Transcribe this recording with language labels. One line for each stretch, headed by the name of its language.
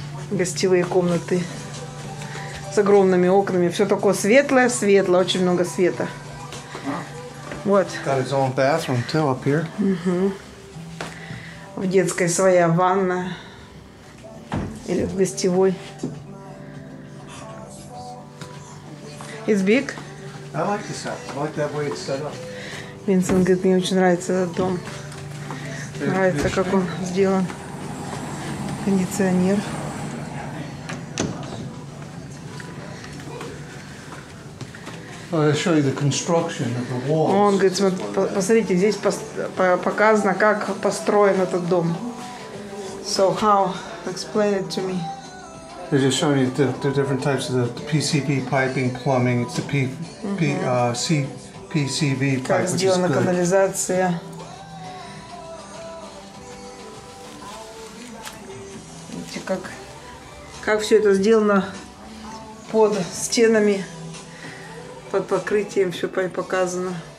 Russian: Гостевые комнаты. С огромными окнами, все такое светлое, светло, очень много света. Вот.
English: Got his own bathroom too up here.
Russian: В детской своя ванна или в гостевой.
English: It's big. I like this house. I like that way it's set up.
Russian: Винсент говорит, мне очень нравится этот дом. Нравится, как он сделан. Кондиционер. Он говорит, смотри, посмотрите, здесь показано, как построен этот дом.
English: So how? Explain it to me. They're just showing you the different types of the PCB piping, plumbing. It's the PCB pipe, which is good.
Russian: Как сделана канализация. Видите, как все это сделано под стенами, под покрытием, все показано.